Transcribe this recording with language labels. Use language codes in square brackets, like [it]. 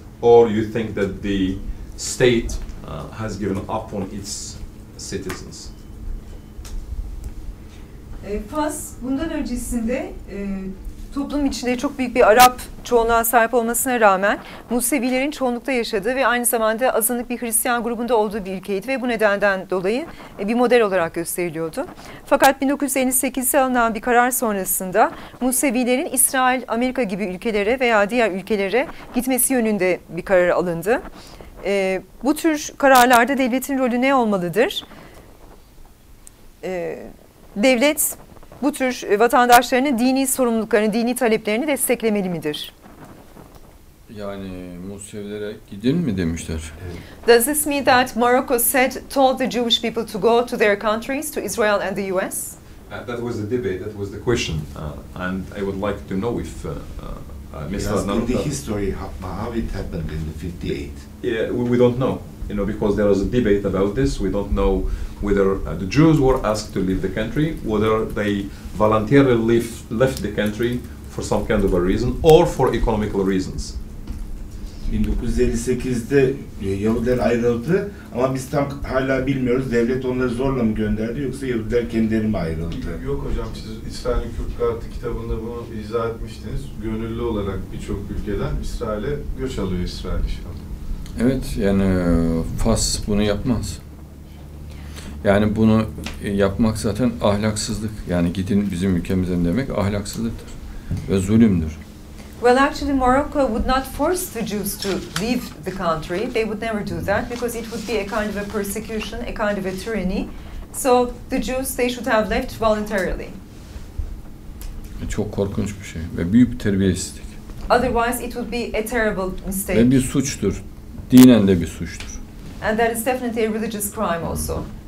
[en] Or you think that the state has given up on its citizens? [tr] Fas bundan öncesinde toplum içinde çok büyük bir Arap çoğunluğa sahip olmasına rağmen Musevilerin çoğunlukta yaşadığı ve aynı zamanda azınlık bir Hristiyan grubunda olduğu bir ülkeydi ve bu nedenden dolayı bir model olarak gösteriliyordu. Fakat 1958'de alınan bir karar sonrasında Musevilerin İsrail, Amerika gibi ülkelere veya diğer ülkelere gitmesi yönünde bir karar alındı. Bu tür kararlarda devletin rolü ne olmalıdır? Devlet bu tür vatandaşlarının dini sorumluluklarını, dini taleplerini desteklemeli midir? Yani Musevilere gidin mi demişler? [en] Does this mean that Morocco said told the Jewish people to go to their countries, to Israel and the US? That was the debate, that was the question. And I would like to know if Mr. Yes, Naruto, the history how it happened in the 58. Yeah, we don't know. You know, because there was a debate about this, we don't know whether the Jews were asked to leave the country, whether they voluntarily left the country for some kind of a reason or for economical reasons. [tr] 1958'de Yahudiler ayrıldı ama biz tam hala bilmiyoruz. Devlet onları zorla mı gönderdi yoksa Yahudiler kendileri mi ayrıldı? Yok hocam, siz İsrail'in Kürt Kartı kitabında bunu izah etmiştiniz. Gönüllü olarak birçok ülkeden İsrail'e göç alıyor İsrail inşallah. Evet, yani Fas bunu yapmaz. Yani bunu yapmak zaten ahlaksızlık. Yani gidin bizim ülkemizden demek ahlaksızlıktır ve zulümdür. [en] Well, actually Morocco would not force the Jews to leave the country. They would never do that because it would be a kind of a persecution, a kind of a tyranny. So the Jews, they should have left voluntarily. [tr] Çok korkunç bir şey ve büyük bir terbiyesizlik. [en] Otherwise it would be a terrible mistake. [tr] Ve bir suçtur. Dinen de bir suçtur. [en] And that is definitely a religious crime also.